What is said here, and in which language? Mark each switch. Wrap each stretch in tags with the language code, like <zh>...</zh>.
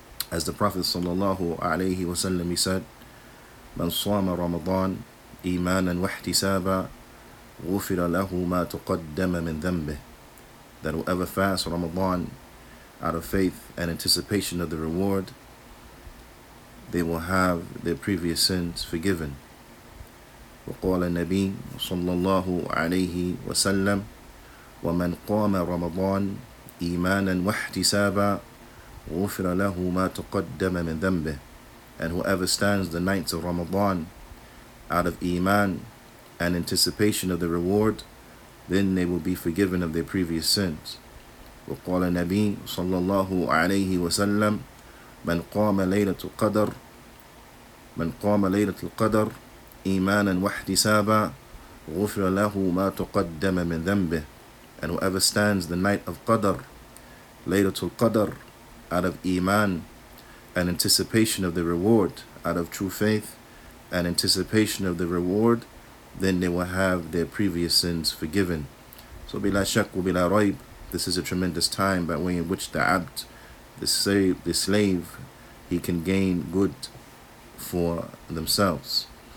<en>As the Prophet sallallahu alayhi wa sallam, he said,</en> <ar>من صام رمضان إيمانا واحتسابا غفر له ما تقدم من ذنبه.</ar> <en>That whoever fasts Ramadan out of faith and anticipation of the reward, they will have their previous sins forgiven.</en> <ar>وقال النبي صلى الله عليه وسلم ومن قام رمضان إيمانا واحتسابا غفر له ما تقدم من ذنبه.</ar> <en>And whoever stands the nights of Ramadan out of Iman and anticipation of the reward, then they will be forgiven of their previous sins.</en> <ar>وقال النبي صلى الله عليه وسلم من قام ليلة القدر من قام ليلة القدر إيمانا واحتسابا غفر له ما تقدم من ذنبه.</ar> <en>And whoever stands the night of Qadr, Laylatul Qadr, out of Iman and anticipation of the reward, out of true faith and anticipation of the reward, then they will have their previous sins forgiven. So</en> <ar>bila shak wa bila raib,</ar> <en>this is a tremendous time by way in which the abd, the slave, he can gain good for themselves.</en>